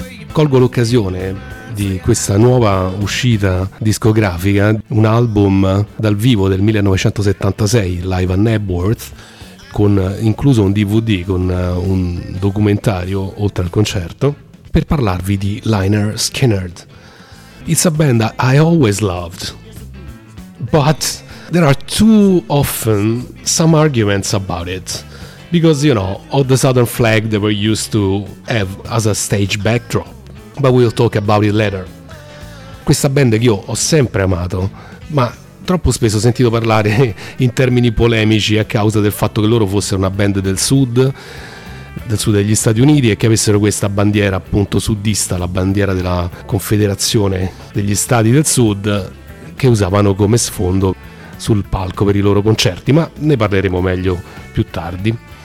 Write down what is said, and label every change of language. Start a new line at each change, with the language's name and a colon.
Italian: Colgo l'occasione di questa nuova uscita discografica, un album dal vivo del 1976, Live at Nettworth, con incluso un DVD con un documentario oltre al concerto, per parlarvi di Lynyrd Skynyrd.
English: It's a band I always loved, but there are too often some arguments about it, because, you know, all the Southern Flag they were used to have as a stage backdrop, but we'll talk about it later.
Italian: Questa band che io ho sempre amato, ma troppo spesso ho sentito parlare in termini polemici a causa del fatto che loro fossero una band del sud degli Stati Uniti e che avessero questa bandiera appunto sudista, la bandiera della Confederazione degli Stati del Sud, che usavano come sfondo sul palco per i loro concerti, ma ne parleremo meglio più tardi.